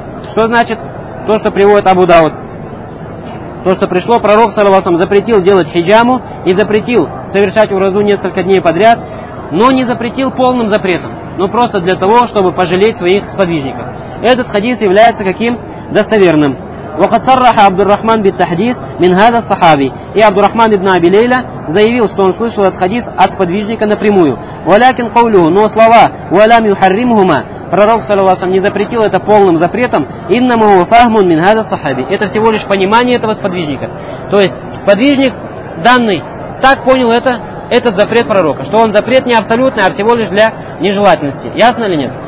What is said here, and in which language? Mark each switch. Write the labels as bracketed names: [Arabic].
[Russian] Что значит то, что приводит Абу Дауд? То, что пришло, пророк саллаллаху алейхи ва саллям запретил делать хиджаму и запретил совершать уразу несколько дней подряд, но не запретил полным запретом, но просто для того, чтобы пожалеть своих сподвижников. Этот хадис является каким? Достоверным. [Arabic] وقد صرح عبد الرحمن بالتحديث من هذا الصحابي [Russian] и عبد الرحمن ابن أبي ليلى заявил, что он слышал этот хадис от сподвижника напрямую. [Arabic] ولكن قوله, [Russian] но слова [Arabic] ولم يحرمهما, [Russian] пророк саллаллаху не запретил это полным запретом, [Arabic] انما هو فهم من هذا الصحابي, [Russian] это всего лишь понимание этого сподвижника. То есть сподвижник данный так понял этот запрет пророка, что он запрет не абсолютный, а всего лишь для нежелательности. Ясно ли нет?